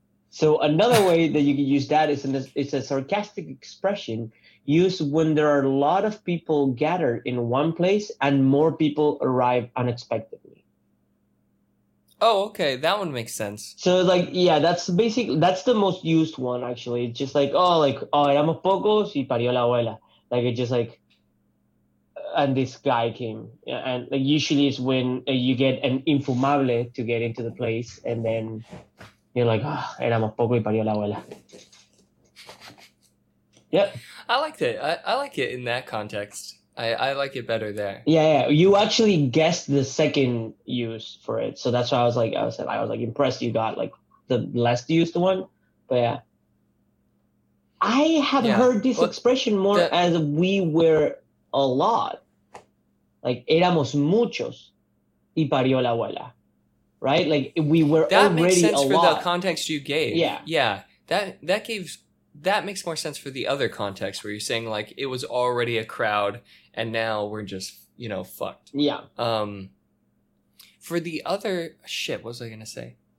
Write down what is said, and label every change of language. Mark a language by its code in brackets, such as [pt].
[en] So another way that you can use that is it's a sarcastic expression used when there are a lot of people gathered in one place and more people arrive unexpectedly. Oh, okay. That one makes sense. So like, yeah, that's the most used one actually. It's just like, [es] éramos pocos y parió la abuela. [en] Like it just like, and this guy came. And like usually it's when you get an infumable to get into the place and then you're like, [es] éramos pocos y parió la abuela. [en] Yep. I liked it. I like it in that context. I like it better there. Yeah. You actually guessed the second use for it. So that's why I was like impressed you got like the less used one. But yeah. I have heard this expression more as we were a lot. [es] Like, éramos muchos y parió la abuela. [en] Right? Like, we were that a lot. That makes sense for the context you gave. Yeah. Yeah. That makes more sense for the other context where you're saying, like, it was already a crowd and now we're just, you know, fucked. Yeah. For the other... Shit, what was I going to say?